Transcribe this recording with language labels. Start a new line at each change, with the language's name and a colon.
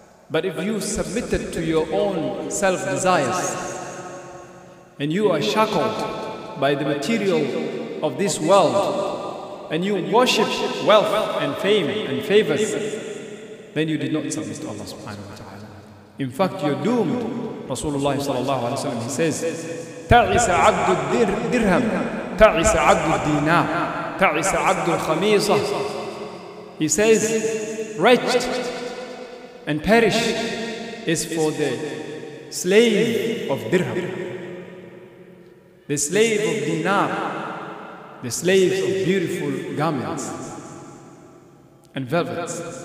English: But if you submitted to your own self-desires and you are shackled by the material of this world and you worship wealth and fame and favors, then you did not submit to Allah subhanahu wa ta'ala. In fact, you're doomed.
Arabic: Rasulullah sallallahu alayhi wa sallam,
English: he says,
Arabic: تَعْسَ عَبْدُ الدِّرْهَمْ تَعْسَ عَبْدُ الدِّينَاءِ تَعْسَ عَبْدُ الْخَمِيصَةِ.
English: He says, wretched and perish is for the slave of dirham, the slave of dinar, the slave of beautiful garments and velvets.